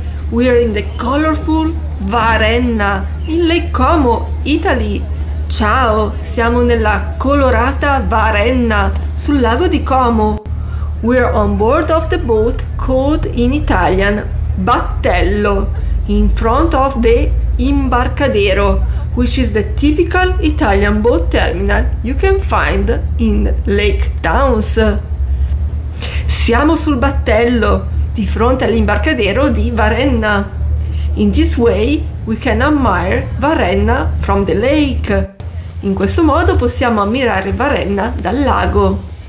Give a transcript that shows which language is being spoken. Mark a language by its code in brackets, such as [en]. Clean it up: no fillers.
[en] We are in the colorful Varenna, in Lake Como, Italy. [it] Ciao, siamo nella colorata Varenna, sul lago di Como. [en] We are on board of the boat called in Italian battello, in front of the Imbarcadero, which is the typical Italian boat terminal you can find in lake towns. [it] Siamo sul battello, di fronte all'Imbarcadero di Varenna. [en] In this way we can admire Varenna from the lake. [it] In questo modo possiamo ammirare Varenna dal lago.